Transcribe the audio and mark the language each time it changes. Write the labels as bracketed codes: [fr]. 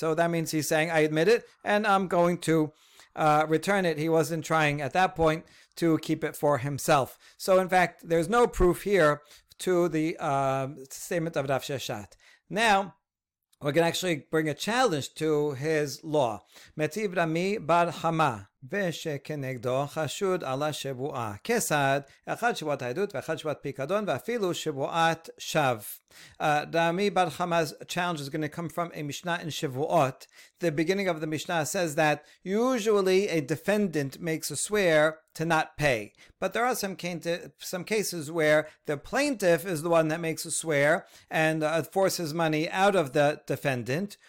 [en] So that means he's saying, I admit it and I'm going to return it. He wasn't trying at that point to keep it for himself. So in fact, there's no proof here to the statement of Rav Sheshat. Now, we can actually bring a challenge to his law. Metiv Rami bar Hama. [he] ושכנגדו חשוד על השבועה כסעד, אחד שבועת העדות ואחד שבועת פיקדון ואפילו שבועת שב. [en] Rami Bar Hama's challenge is going to come from a Mishnah in Shavuot. The beginning of the Mishnah says that usually a defendant makes a swear to not pay. But there are some cases where the plaintiff is the one that makes a swear and forces money out of the defendant.